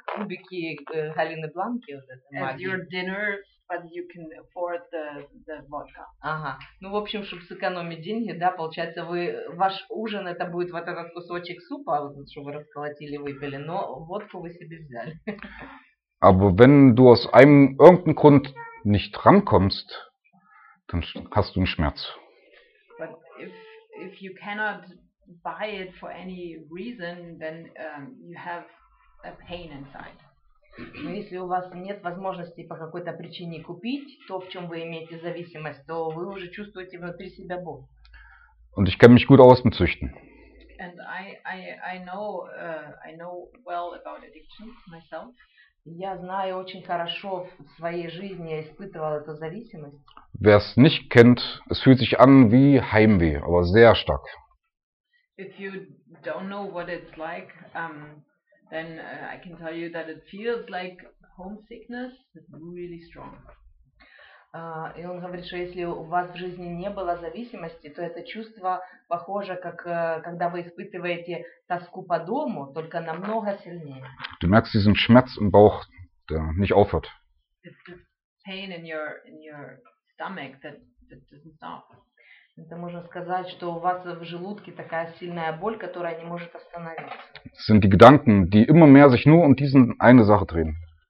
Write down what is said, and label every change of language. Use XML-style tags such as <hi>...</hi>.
<ru>Кубики Галины Бланки вот это.</ru> <en>As your dinner, but you can afford the vodka.</en> <ru>Ага. Ну, в общем, чтобы сэкономить деньги, да, получается, вы ваш ужин это будет вот этот кусочек супа, вот, что вы расколотили, выпили, но водку вы себе взяли.</ru> <de>Aber wenn du aus einem irgendeinem Grund nicht rankommst, dann hast du einen Schmerz.</de> <en>But if you cannot buy it for any reason, then you have a pain inside.</en> <ru>Но если у вас нет возможности по какой-то причине купить то, в чем вы имеете зависимость, то вы уже чувствуете внутри себя боль.</ru> <de>Und ich kann mich gut aus dem Züchten.</de> <en>And I know well about addiction myself.</en> <ru>Я знаю очень хорошо в своей жизни, я испытывал эту зависимость.</ru> <de>Wer es nicht kennt, es fühlt sich an wie Heimweh, aber sehr stark.</de> <en>If you don't know what it's like, then I can tell you that it feels like homesickness, it's really strong.</en> <ru>И он говорит, что если у вас в жизни не было зависимости, то это чувство похоже, как когда вы испытываете тоску по дому, только намного сильнее.</ru> <de>Du merkst diesen Schmerz im Bauch, der nicht aufhört.</de> <en>It's the pain in your stomach that doesn't stop.</en> <ru>Это можно сказать, что у вас в желудке такая сильная боль, которая не может остановиться.</ru> <de>Das sind die Gedanken, die immer mehr sich nur um diese eine Sache drehen.</de>